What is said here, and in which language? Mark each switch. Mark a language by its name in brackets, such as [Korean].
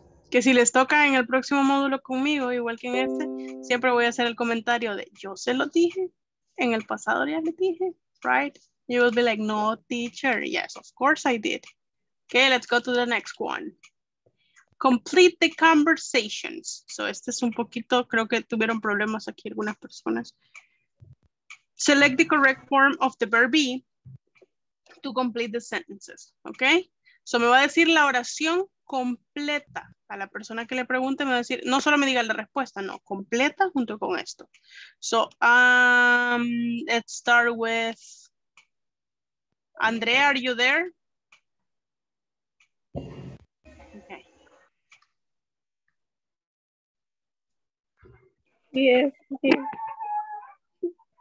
[Spanish] Que si les toca en el próximo módulo conmigo, igual que en este, siempre voy a hacer el comentario de yo se lo dije, en el pasado ya le dije, right? [English] You will be like, no, teacher. Yes, of course I did. Okay, let's go to the next one. Complete the conversations. [Spanish] So este es un poquito, creo que tuvieron problemas aquí algunas personas. [English] Select the correct form of the verb be to complete the sentences. Okay? [Spanish] So me va a decir la oración completa. A la persona que le pregunte me va a decir, no solo me diga la respuesta, no, completa junto con esto. [English] So, let's start with Andrea, are you there? Okay. Yes. Yes.